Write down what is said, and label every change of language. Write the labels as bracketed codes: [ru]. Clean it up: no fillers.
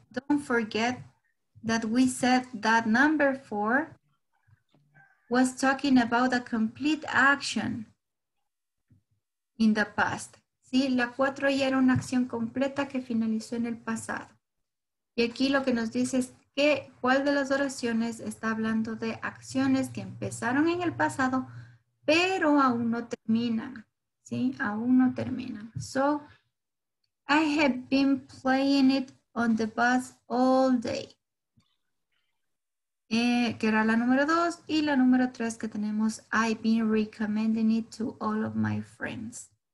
[en] Don't forget that we said that number four was talking about a complete action in the past. [es] Sí, la cuatro ya era una acción completa que finalizó en el pasado. Y aquí lo que nos dice es que cuál de las oraciones está hablando de acciones que empezaron en el pasado, pero aún no terminan. Sí, aún no terminan. [en] So, I have been playing it on the bus all day. [es] Que era la número dos, y la número tres que tenemos, [en] I've been recommending it to all of my friends.